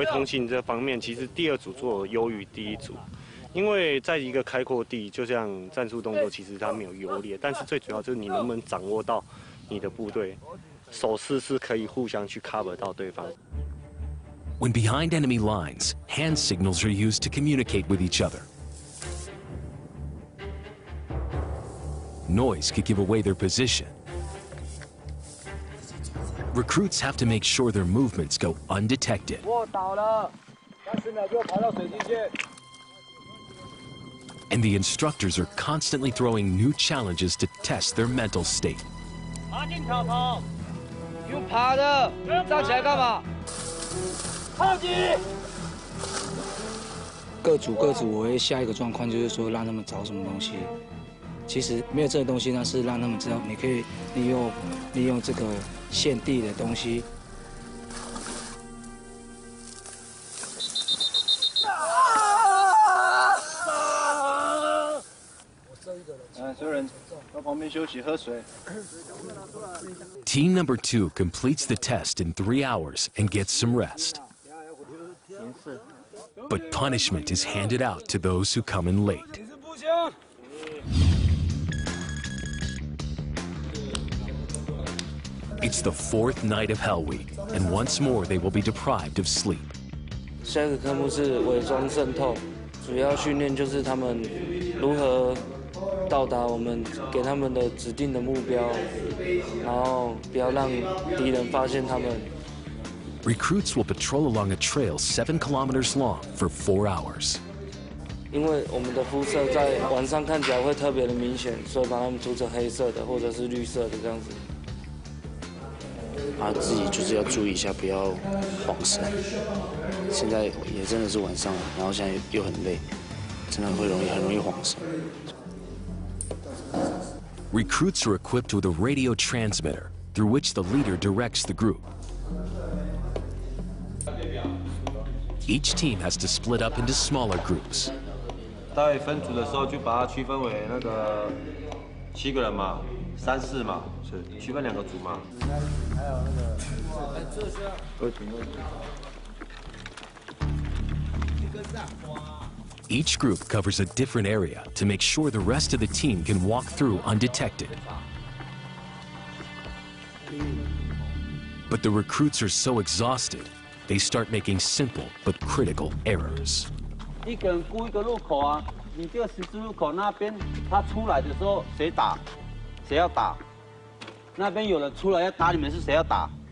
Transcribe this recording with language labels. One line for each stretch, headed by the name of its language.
English: I'm going to go to the next one.
Chinese: 因为在一个开阔地，就像战术动作，其实它没有优劣。但是最主要就是你能不能掌握到你的部队，手势是可以互相去 cover 到对方。
English: When behind enemy lines, hand signals are used to communicate with each other. Noise could give away their position. Recruits have to make sure their movements go undetected.
Chinese: 卧倒了，30秒就跑到水晶线。
English: And the instructors are constantly throwing new challenges to test their mental state. You're running.
Chinese: 各组各组，我会下一个状况，就是说让他们找什么东西。其实没有这个东西，那是让他们知道你可以利用这个限地的东西。
English: Team number two completes the test in 3 hours and gets some rest. But punishment is handed out to those who come in late. It's the fourth night of Hell Week, and once more they will be deprived of sleep.
Chinese: 下一个科目是伪装渗透，主要训练就是他们如何到达我们给他们的指定的目标，然后不要让敌人发现他们。
English: Recruits will patrol along a trail 7 kilometers long for 4 hours.
Chinese: 因为我们的肤色在晚上看起来会特别的明显，所以把他们涂成黑色的或者是绿色的这样子。啊，自己就是要注意一下，不要晃神。现在也真的是晚上了，然后现在又很累，真的会很容易晃神。
English: Recruits are equipped with a radio transmitter through which the leader directs the group. Each team has to split up into smaller groups.
Chinese: 在分组的时候就把它区分为那个七个人嘛，三四嘛，是区分两个组嘛。
English: Each group covers a different area to make sure the rest of the team can walk through undetected. But the recruits are so exhausted, they start making simple but critical errors.
Chinese: 一个人顾一个路口啊，你这个十字路口那边，他出来的时候谁打，谁要打？那边有人出来要打你们，是谁要打？